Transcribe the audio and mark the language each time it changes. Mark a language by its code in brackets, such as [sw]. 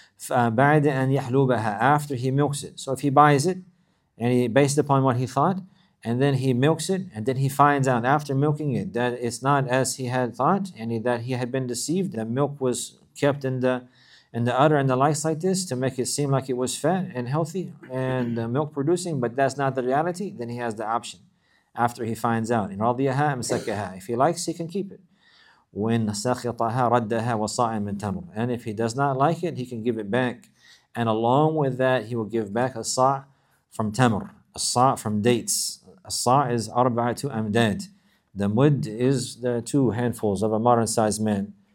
[ar] بعد أن يحلوبها, [en] after he milks it. So if he buys it, and he based upon what he thought, and then he milks it, and then he finds out after milking it that it's not as he had thought, and that he had been deceived. The milk was kept in the udder and the likes like this to make it seem like it was fat and healthy and milk producing, but that's not the reality. Then he has the option after he finds out. [ar] إن رضيها أمسكها. [en] If he likes, he can keep it. [ar] When سَخِطَهَا رَدَّهَا وَصَائِمٍ تَمْرٍ. [en] And if he does not like it, he can give it back. And along with that, he will give back a sa' from tamr, a sa' from dates. A sa' is arba'atu amdad. The mud is the two handfuls of a modern-sized man.